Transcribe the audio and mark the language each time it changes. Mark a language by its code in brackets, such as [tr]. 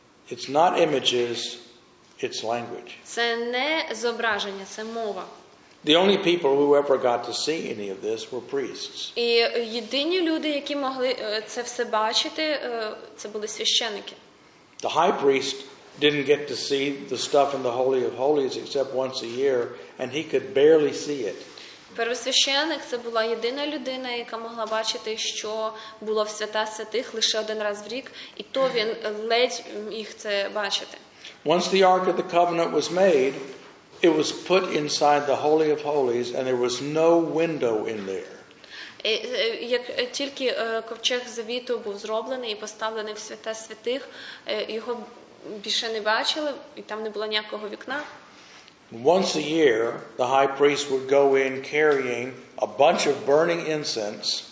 [en] It's not images, it's language. [uk] Це не зображення, це мова. [en] The only people who ever got to see any of this were priests. [uk] І єдині люди, які могли це все бачити, це були священники. [en] The high priest didn't get to see the stuff in the Holy of Holies except once a year, and he could barely see it. [uk] Первосвященик – це була єдина людина, яка могла бачити, що було в свята святих лише один раз в рік, і то він ледь міг це бачити. [en] Once the Ark of the Covenant was made, it was put inside the Holy of Holies, and there was no window in there. [uk] Як тільки ковчег Завіту був зроблений і поставлений в святе святих, його більше не бачили, і там не було ніякого вікна. [en] Once a year, the high priest would go in carrying a bunch of burning incense.